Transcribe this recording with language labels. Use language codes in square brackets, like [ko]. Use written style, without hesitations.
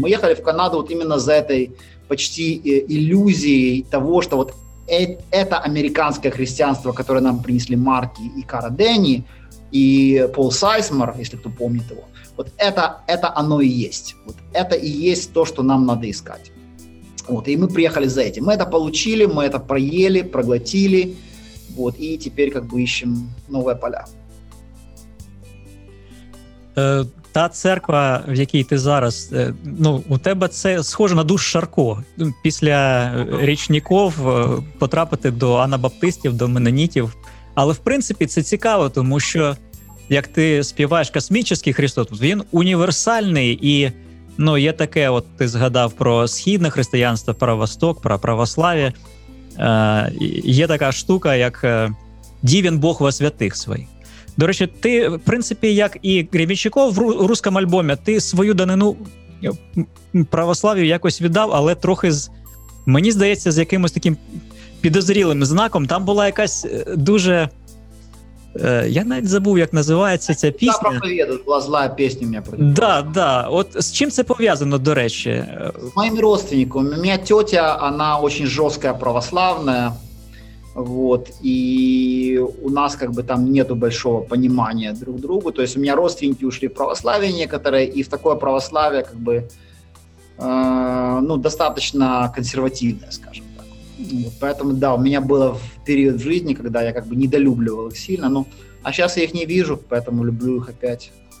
[ru] Мы ехали в Канаду вот именно за этой почти иллюзией того, что вот это американское христианство, которое нам принесли Марки и Кара Денни, и Пол Сайсмор, если кто помнит его, вот это оно и есть. Вот это и есть то, что нам надо искать. Вот, и мы приехали за этим. Мы это получили, мы это проели, проглотили, вот, и теперь как бы ищем новые поля. [uk] Та церква, в якій ти зараз, ну, у тебе це схоже на душ Шарко. Після річників потрапити до анабаптистів, до менонітів. Але, в принципі, це цікаво, тому що, як ти співаєш «Космічний Христос», він універсальний, і Ну, є таке, от ти згадав про східне християнство, про Восток, про православ'я. Є така штука, як «Дівен Бог во святих своїх». До речі, ти, в принципі, як і Гребенщиков [ru] в русском [uk] альбомі, ти свою данину православ'ю якось віддав, але трохи, мені здається, з якимось таким підозрілим знаком. Там була якась дуже... Я навіть забув, як називається ця пісня. Я проповідаю, була зла пісня у мене. Да. От з чим це пов'язано, до речі? З моїм родственником. У мене тетя, вона дуже жорстка православна. [ru] Вот. И у нас как бы там нету большого понимания друг другу. То есть у меня родственники ушли в православие некоторые, и в такое православие как бы ну, достаточно консервативное, скажем так. Вот. Поэтому да, у меня было в период в жизни, когда я как бы недолюбливал их сильно, но а сейчас я их не вижу, поэтому люблю их опять.